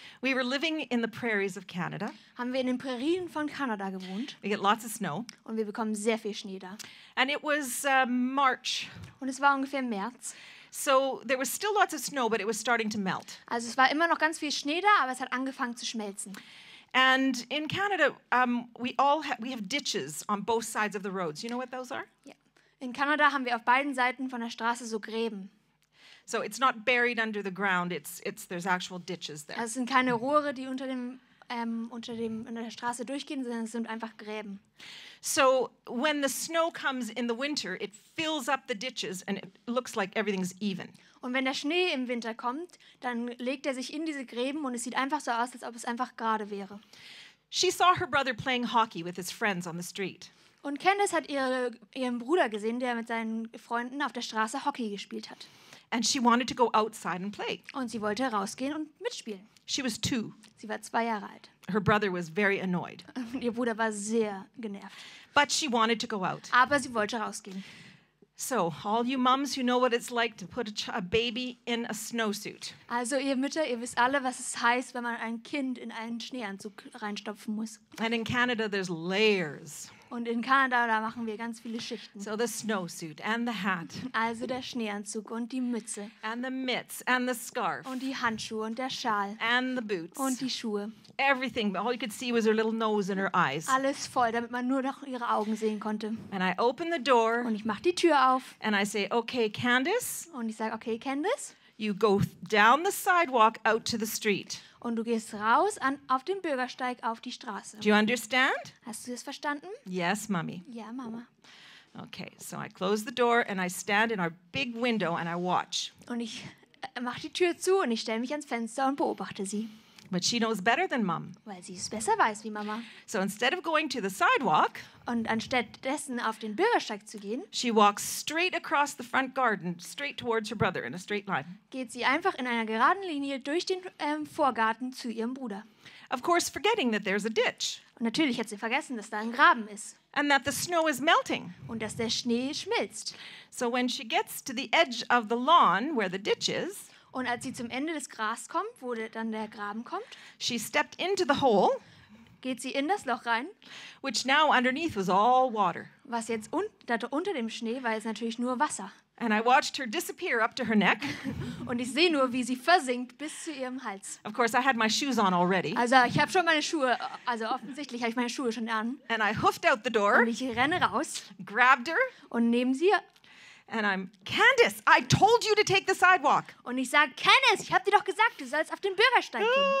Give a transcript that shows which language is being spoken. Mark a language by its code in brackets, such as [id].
[en] we were living in the prairies of Canada. [de] Haben wir in den Prärien von Kanada gewohnt. [en] We get lots of snow. [de] Und wir bekommen sehr viel Schnee da. [en] And it was March. [de] Und es war ungefähr März. [en] So there was still lots of snow, but it was starting to melt. [de] Also es war immer noch ganz viel Schnee da, aber es hat angefangen zu schmelzen. [en] And in Canada, we have ditches on both sides of the roads. You know what those are? Yeah. [de] In Kanada haben wir auf beiden Seiten von der Straße so Gräben. [en] So it's not buried under the ground. There's actual ditches there. [de] Also es sind keine Rohre, die unter der Straße durchgehen, sondern es sind einfach Gräben. [en] So when the snow comes in the winter, it fills up the ditches and it looks like everything's even. [de] Und wenn der Schnee im Winter kommt, dann legt er sich in diese Gräben und es sieht einfach so aus, als ob es einfach gerade wäre. [en] She saw her brother playing hockey with his friends on the street. [de] Und Candace hat ihren Bruder gesehen, der mit seinen Freunden auf der Straße Hockey gespielt hat. [en] And she wanted to go outside and play. [de] Und sie wollte rausgehen und mitspielen. [en] She was 2. [de] Sie war 2 Jahre alt. [en] Her brother was very annoyed. [de] Ihr Bruder war sehr genervt. [en] But she wanted to go out. [de] Aber sie wollte rausgehen. [en] So, all you mums, you know what it's like to put a baby in a snowsuit. [de] Also ihr Mütter, ihr wisst alle, was es heißt, wenn man ein Kind in einen Schneeanzug reinstopfen muss. [en] And in Canada there's layers. [de] Und in Kanada, da machen wir ganz viele Schichten. [en] So the snowsuit and the hat. [de] Also der Schneeanzug und die Mütze. [en] And the mitts and the scarf. [de] Und die Handschuhe und der Schal. [en] And the boots. [de] Und die Schuhe. [en] Everything, all you could see was her little nose and her eyes. [de] Alles voll, damit man nur noch ihre Augen sehen konnte. [en] And I open the door. [de] Und ich mache die Tür auf. [en] And I say, okay, Candace. [de] Und ich sage, okay, Candace. [en] You go down the sidewalk out to the street. [de] Und du gehst raus auf den Bürgersteig auf die Straße. [en] Do you understand? [de] Hast du das verstanden? [en] Yes, Mommy. [de] Ja, Mama. [en] Okay, so I close the door and I stand in our big window and I watch. [de] Und ich mache die Tür zu und ich stelle mich ans Fenster und beobachte sie. [en] But she knows better than Mom. [de] Weil sie es besser weiß wie Mama. [en] So instead of going to the sidewalk, [de] und anstatt dessen auf den Bürgersteig zu gehen, [en] she walks straight across the front garden, straight towards her brother in a straight line. [de] Geht sie einfach in einer geraden Linie durch den Vorgarten zu ihrem Bruder. [en] Of course, forgetting that there's a ditch. [de] Und natürlich hat sie vergessen, dass da ein Graben ist. [en] And that the snow is melting. [de] Und dass der Schnee schmilzt. [en] So when she gets to the edge of the lawn where the ditch is. [de] Und als sie zum Ende des Gras kommt, wo dann der Graben kommt, [en] she stepped into the hole, [de] geht sie in das Loch rein, [en] which now underneath was all water. [de] Was jetzt unter dem Schnee war, ist natürlich nur Wasser. [en] And I watched her disappear up to her neck. [de] Und ich sehe nur, wie sie versinkt bis zu ihrem Hals. [en] Of course, I had my shoes on already. [de] Also ich habe schon meine Schuhe, also offensichtlich habe ich meine Schuhe schon an. [en] And I hoofed out the door. [de] Und ich renne raus. [en] Grabbed her. [de] Und nehme sie. [en] And I'm, Candace, I told you to take the sidewalk. [de] Und ich sage, Candace, ich habe dir doch gesagt, du sollst auf den Bürgersteig gehen.